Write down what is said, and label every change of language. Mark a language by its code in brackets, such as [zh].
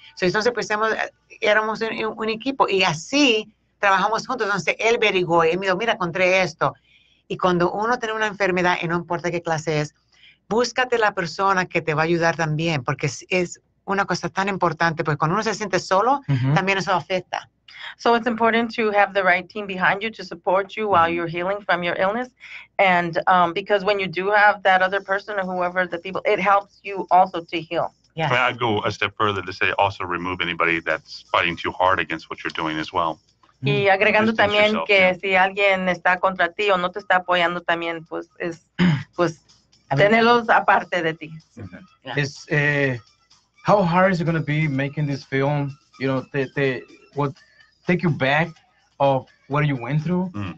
[es] So, entonces pensamos, éramos un equipo. Y así trabajamos juntos. Entonces él averiguó y él me dijo, mira, encontré esto. Y cuando uno tiene una enfermedad, y no importa qué clase es, búscate la persona que te va a ayudar también, porque es una cosa tan importante, porque cuando uno se siente solo, también eso afecta. [en] So it's important to have the right team behind you to support you while you're healing from your illness. And because when you do have that other person or whoever the people, it helps you also to heal. Yes. But I'd go a step further to say also remove anybody that's fighting too hard against what you're doing as well. [es] Y agregando también que si alguien está contra ti o no te está apoyando también, pues es, pues, tenerlos aparte de ti. [en] It's, how hard is it going to be making this film, you know, what take you back of what you went through?